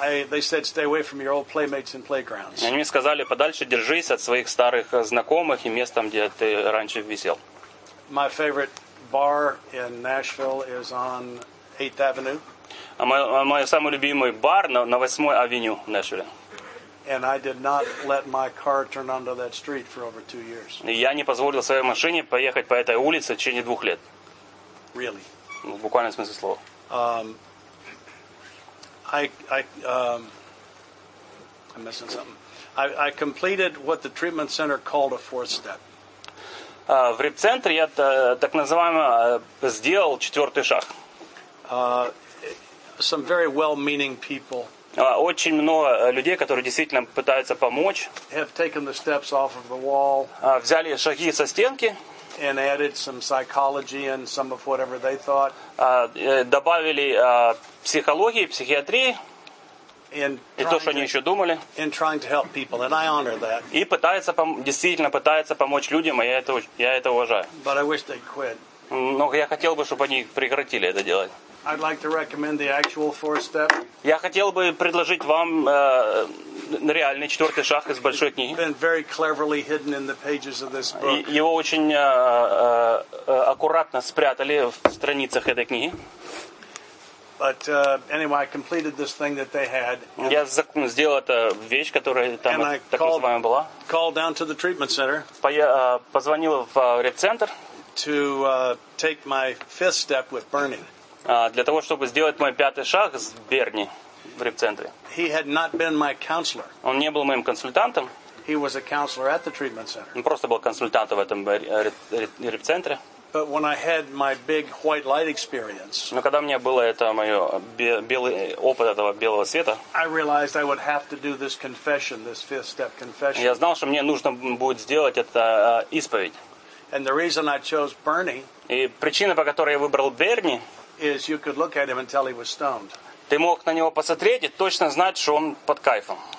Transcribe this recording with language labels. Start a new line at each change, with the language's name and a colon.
English: They said stay away from your old playmates and playgrounds.
Russian: Они мне сказали, подальше держись от своих старых знакомых и мест, там, где ты раньше висел.
English: My favorite bar in Nashville is on 8th Avenue.
Russian: Мой самый любимый бар на 8-й авеню в Нэшвилле.
English: And I did not let my car turn onto that street for over 2 years.
Russian: Я не позволил своей машине поехать по этой улице в течение 2 лет.
English: Really?
Russian: В буквальном смысле слова.
English: I'm missing something. I completed what the treatment center called a fourth step.
Russian: В реп-центре я так называемо сделал четвертый шаг.
English: Some very well-meaning people.
Russian: Очень много людей, которые действительно пытаются помочь.
English: Have taken the steps off of the wall.
Russian: Взяли шаги со стенки.
English: And added some psychology and some of whatever they thought.
Russian: Добавили психологии, психиатрии. И то, что они еще думали.
English: In trying to help people, and I honor that.
Russian: И действительно пытается помочь людям, и я это уважаю.
English: But I wish they'd quit.
Russian: Но я хотел бы, чтобы они прекратили это делать.
English: I'd like to recommend the actual fourth step.
Russian: Я хотел бы предложить вам реальный четвертый шаг из большой книги.
English: Been very cleverly hidden in the pages of this book.
Russian: Его очень аккуратно спрятали в страницах этой книги.
English: But anyway, I completed this thing that they had.
Russian: Я сделал эту вещь, которая там так называемая была.
English: Called down to the treatment center.
Russian: Позвонил в реп-центр.
English: To take my fifth step with Bernie.
Russian: Для того, чтобы сделать мой пятый шаг с Берни в реп-центре.
English: He had not been my counselor.
Russian: Он не был моим консультантом.
English: He was a counselor at the treatment center.
Russian: Он просто был консультантом в этом реп-центре.
English: But when I had my big white light experience,
Russian: но когда у меня было это мое белый опыт этого белого света,
English: I realized I would have to do this confession, this fifth step confession.
Russian: Я знал, что мне нужно будет сделать это исповедь.
English: And the reason I chose Bernie,
Russian: и причина, по которой я выбрал Берни,
English: is you could look at him and tell he was stoned.
Russian: Ты мог на него посмотреть и точно знать, что он под кайфом.